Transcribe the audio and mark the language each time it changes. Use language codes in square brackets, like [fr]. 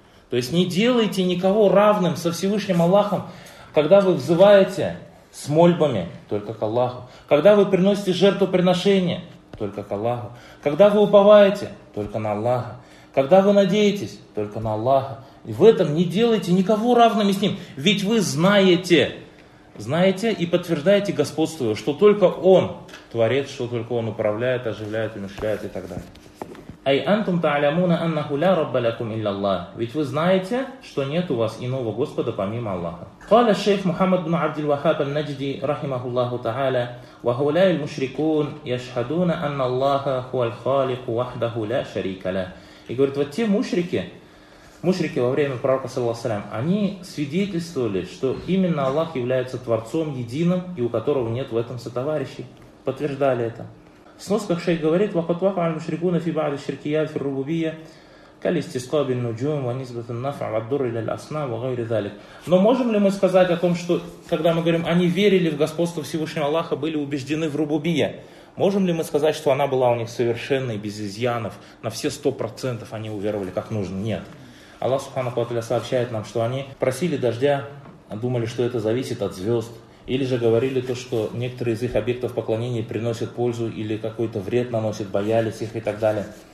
[ru] То есть не делайте никого равным со Всевышним Аллахом, когда вы взываете с мольбами только к Аллаху, когда вы приносите жертвоприношение только к Аллаху, когда вы уповаете только на Аллаха, когда вы надеетесь только на Аллаха. И в этом не делайте никого равными с Ним, ведь вы знаете, знаете и подтверждаете господство, что только Он творит, что только Он управляет, оживляет, умерщвляет и так далее. [ar] أي أنتم تعلمون أنه لا رب لكم إلا الله. [ru] Ведь вы знаете, что нет у вас иного Господа помимо Аллаха. [ar] قال الشيخ محمد بن عبد الوهاب النجدي رحمه الله تعالى وهؤلاء المشركون يشهدون أن الله هو الخالق وحده لا شريك له. [ru] И говорит, вот те мушрики во время пророка саллаллаху алейхи ва саллям, они свидетельствовали, что именно Аллах является Творцом единым и у которого нет в этом сотоварищей. Подтверждали это. В сносках шейх говорит, [ar] وَقَدْ وَقَعَ الْمُشْرِكُونَ فِي بَعْدِ الشِّرْكِيَاتِ فِي الرُّبُوبِيَّةِ كَالِاسْتِسْقَابِ النُّجُومِ وَنِسْبَةِ النَّفْعَ وَالضُّرِّ إِلَى الْأَصْنَامِ وَغَيْرِ ذَلِكَ. [ru] Но можем ли мы сказать о том, что, когда мы говорим, они верили в господство Всевышнего Аллаха, были убеждены в рубубия, можем ли мы сказать, что она была у них совершенной, без изъянов, на все 100% они уверовали как нужно? Нет. Аллах субхана ва тааля сообщает нам, что они просили дождя, думали, что это зависит от звезд, или же говорили то, что некоторые из их объектов поклонения приносят пользу или какой-то вред наносят, боялись их и так далее.